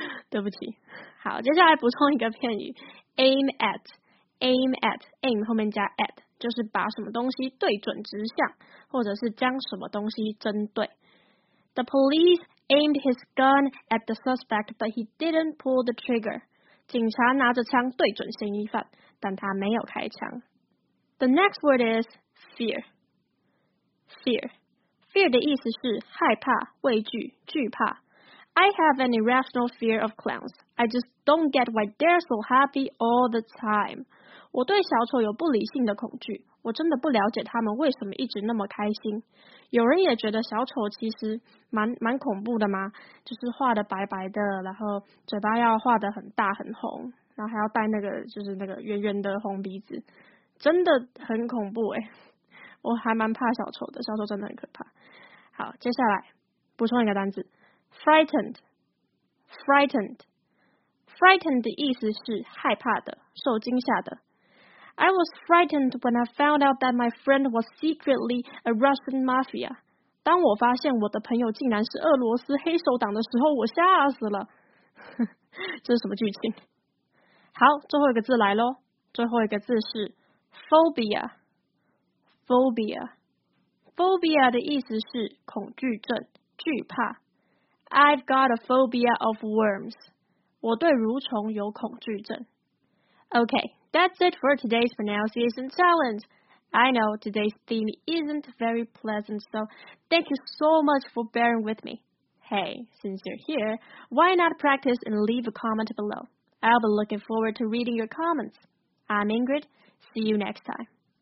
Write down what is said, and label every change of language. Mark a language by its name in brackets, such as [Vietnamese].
[Chinese] 对不起。好接下来补充一个片语。 [English] aim at, aim at, [Chinese] aim 后面加 at, 就是把什么东西对准直向或者是将什么东西针对。 [English] The police aimed his gun at the suspect, but he didn't pull the trigger. [Chinese] 警察拿着枪对准嫌疑犯但他没有开枪。 [English] The next word is fear. Fear. [Chinese] Fear 的意思是害怕、畏惧、惧怕。 [English] I have an irrational fear of clowns. I just don't get why they're so happy all the time. [Chinese] 我对小丑有不理性的恐惧。我真的不了解他们为什么一直那么开心。有人也觉得小丑其实蛮恐怖的嘛，就是画得白白的，然后嘴巴要画得很大很红，然后还要戴那个就是那个圆圆的红鼻子，真的很恐怖哎。我还蛮怕小丑的，小丑真的很可怕。好，接下来补充一个单字 ， [English] frightened， frightened， frightened [Chinese] 的意思是害怕的，受惊吓的。 [English] I was frightened when I found out that my friend was secretly a Russian mafia. [Chinese] 当我发现我的朋友竟然是俄罗斯黑手党的时候，我吓死了。这是什么剧情？好，最后一个字来咯，最后一个字是 phobia。 [English] Phobia. [Chinese] Phobia 的意思是恐惧症、惧怕。 [English] I've got a phobia of worms. [Chinese] 我对蠕虫有恐惧症。 [English] Okay, that's it for today's pronunciation challenge. I know today's theme isn't very pleasant, so thank you so much for bearing with me. Hey, since you're here, why not practice and leave a comment below? I'll be looking forward to reading your comments. I'm Ingrid. See you next time.